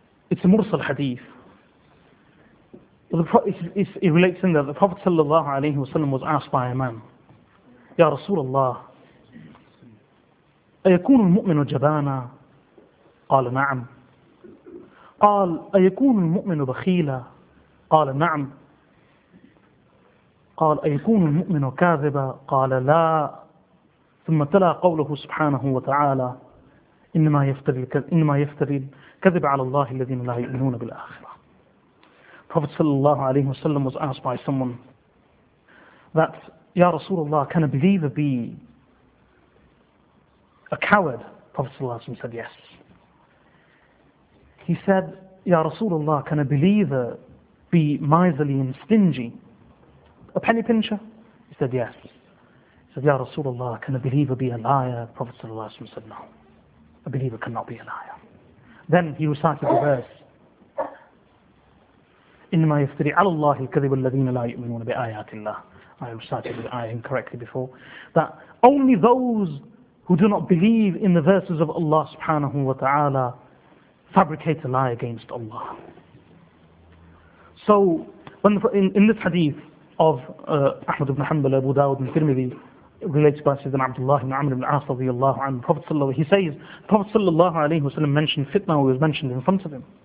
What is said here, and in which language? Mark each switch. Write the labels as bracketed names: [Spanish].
[English] It's a Mursal hadith. It relates in that the Prophet sallallahu alayhi wa sallam was asked by a man, Ya Rasulullah, [Arabic] أيكون المؤمن جبانا؟ قال نعم. قال أيكون المؤمن بخيلا؟ قال نعم. قال أيكون المؤمن كاذبا؟ قال لا. ثم تلا قوله سبحانه وتعالى إنما يفتري كذب على الله الذين لا يؤمنون بالآخرة. [English] Prophet صلى الله عليه وسلم was asked by someone that, Ya Rasulullah, can a believer be a coward? Prophet ﷺ said, yes. He said, Ya Rasulullah, can a believer be miserly and stingy? A penny pincher? He said, yes. He said, Ya Rasulullah, can a believer be a liar? Prophet ﷺ said, no. A believer cannot be a liar. Then he recited the verse, [Arabic] إِنَّمَا يَفْتَرِي عَلَى اللَّهِ الْكَذِبَ الَّذِينَ لَا يُؤْمِنُونَ بِآيَاتِ اللَّهِ. [English] I recited the ayah incorrectly before, that only those who do not believe in the verses of Allah subhanahu wa ta'ala fabricate a lie against Allah. So when in this hadith of Ahmad ibn Hanbal, Abu Dawud and Tirmidhi, related by Sayyidina Abdullah ibn Amr ibn As radiallahu anhu, Prophet sallallahu alayhi wa sallam mentioned fitna, who was mentioned in front of him.